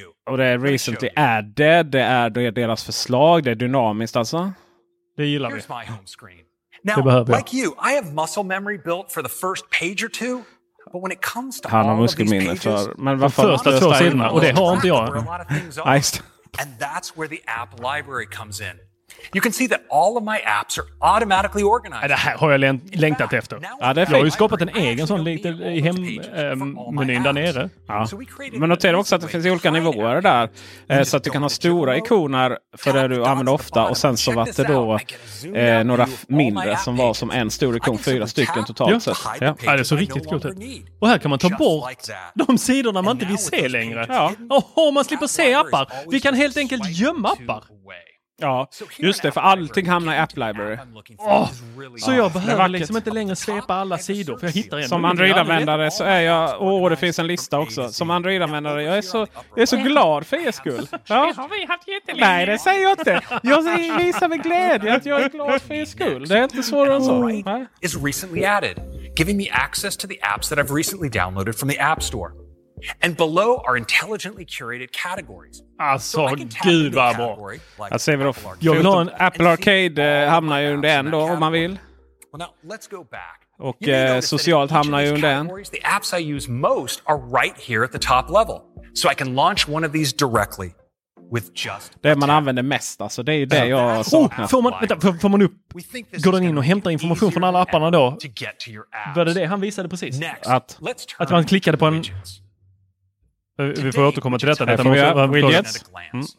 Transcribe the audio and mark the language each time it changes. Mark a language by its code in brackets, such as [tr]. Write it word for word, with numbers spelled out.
[sv] Och det är recently added, det är deras förslag, det är dynamiskt alltså. Det gillar vi. Det behöver jag. Han har muskelminne för men de första två sidorna, och det har inte jag. [en] And that's where the app library comes in. You can see that all of my apps are automatically organized. [sv] Ja, det här har jag läng- längtat efter. Ja, det är jag har ju skapat en egen sån liten i hemmenyn ähm, där nere. Ja. Men notera också att det finns olika nivåer där. Eh, så att du kan ha stora ikoner för det du använder ofta. Och sen så var det då eh, några mindre som var som en stor ikon. Fyra stycken totalt ja. sett. Ja. Ja, det är så riktigt coolt. Och här kan man ta bort de sidorna man inte vill se längre. Ja. Oho, man slipper se appar. Vi kan helt enkelt gömma appar. Ja, just det, för allting hamnar i App Library. Oh, så jag behöver liksom inte längre svepa alla sidor, för jag hittar en. Som Android-användare så är jag... Åh, oh, det finns en lista också. Som Android-användare, jag är så, jag är så glad för er skull. Ja. Har vi haft jättelänge? Nej, det säger jag inte. Jag visar med glädje att jag är glad för er skull. Det är inte svårare än så. [en] Is recently added, giving me access to the apps that I've recently downloaded from the App Store. And below are intelligently curated categories. [sv] Alltså, gud vad bra. Jag ser väl jag vill ha en Apple Arcade eh, hamnar ju under en då, om man vill. Och eh, socialt hamnar ju under en. [en] The apps I use most are right here at the top level. So I can launch one of these directly. [sv] Det man använder mest, alltså det är ju det jag saknar. Oh, får, man, vänta, får, får man upp, går den in och hämtar information från alla apparna då? Var det det han visade precis? Att, att man klickade på en... Vi får återkomma till detta. detta måste, widgets. Mm.